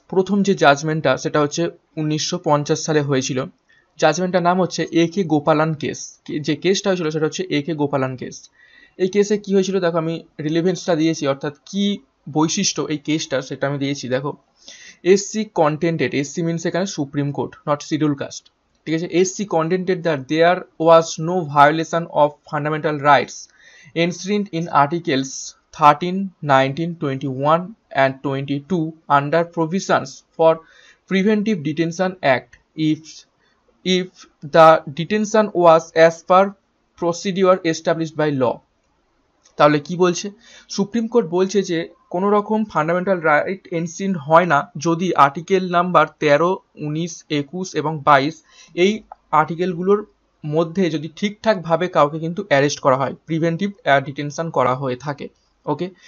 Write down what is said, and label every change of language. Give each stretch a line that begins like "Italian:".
Bangla: প্রথম যে জাজমেন্টটা সেটা হচ্ছে 1950 সালে হয়েছিল, জাজমেন্টটার নাম হচ্ছে AK গোপালান কেস। যে কেসটা হয়েছিল সেটা হচ্ছে AK গোপালান কেস। এই কেসে কি হয়েছিল দেখো, আমি রিলেভেন্সটা দিয়েছি, অর্থাৎ কি বৈশিষ্ট্য এই কেসটা সেটা আমি দিয়েছি। দেখো, SC কন্টেন্টেড, SC মিনস এখানে supreme court, not schedule caste, ঠিক আছে।
English: SC contended that there was no violation of fundamental rights Enshrined in Articles 13, 19, 21 and 22 under provisions for Preventive Detention Act if the detention was as per procedure established by law.
Bangla: তাহলে কি বলছে supreme court? বলছে যে কোনো রকম fundamental right এনশ্রিন্ড হয় না যদি আর্টিকেল নাম্বার 13, 19, 21 এবং 22 এই আর্টিকেলগুলোর মধ্যে যদি ঠিকঠাকভাবে কাউকে কিন্তু অ্যারেস্ট করা হয়, প্রিভেন্টিভ ডিটেনশন করা হয়ে থাকে, ওকে।